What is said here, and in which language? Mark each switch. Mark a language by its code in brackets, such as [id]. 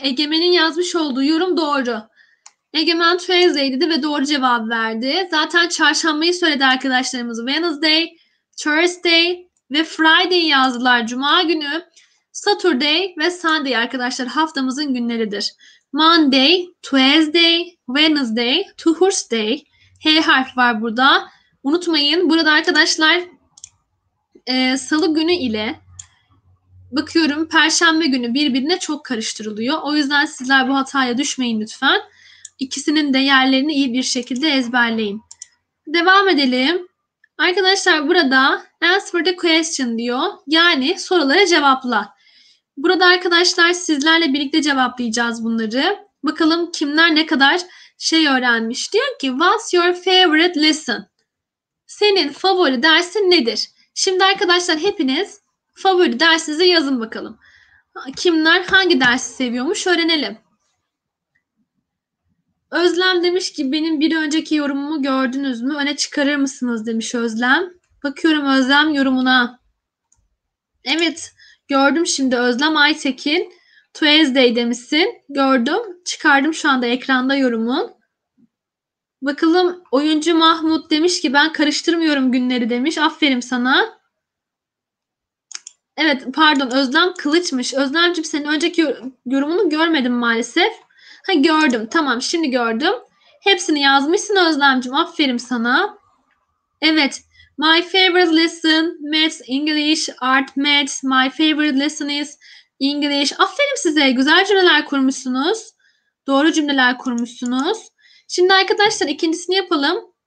[tr] Egemen'in yazmış olduğu yorum doğru. Egemen Thursday dedi ve doğru cevap verdi. Zaten çarşambayı söyledi arkadaşlarımız. Wednesday, Thursday ve Friday yazdılar. Cuma günü. Saturday ve Sunday arkadaşlar haftamızın günleridir. [en] Monday, Tuesday, Wednesday, Thursday. [tr] H harfi var burada. Unutmayın burada arkadaşlar Salı günü ile bakıyorum Perşembe günü birbirine çok karıştırılıyor. O yüzden sizler bu hataya düşmeyin lütfen. İkisinin de yerlerini iyi bir şekilde ezberleyin. Devam edelim. Arkadaşlar burada [en] answer the question [tr] diyor. Yani soruları cevapla. Burada arkadaşlar sizlerle birlikte cevaplayacağız bunları. Bakalım kimler ne kadar şey öğrenmiş. Diyor ki [en] what's your favorite lesson? [tr] Senin favori dersin nedir? Şimdi arkadaşlar hepiniz favori dersinizi yazın bakalım. Kimler hangi dersi seviyormuş öğrenelim. Özlem demiş ki benim bir önceki yorumumu gördünüz mü? Öne çıkarır mısınız demiş Özlem. Bakıyorum Özlem yorumuna. Evet gördüm şimdi Özlem Aytekin. Tuesday demişsin. Gördüm. Çıkardım şu anda ekranda yorumun. Bakalım oyuncu Mahmut demiş ki ben karıştırmıyorum günleri demiş. Aferin sana. Evet pardon Özlem Kılıçmış. Özlemcim senin önceki yorumunu görmedim maalesef. Ha gördüm. Tamam şimdi gördüm. Hepsini yazmışsın Özlemcim. Aferin sana. Evet. [en] My favorite lesson Maths English Art Maths. My favorite lesson is English. [tr] Aferin size. Güzel cümleler kurmuşsunuz. Doğru cümleler kurmuşsunuz. Şimdi arkadaşlar ikincisini yapalım.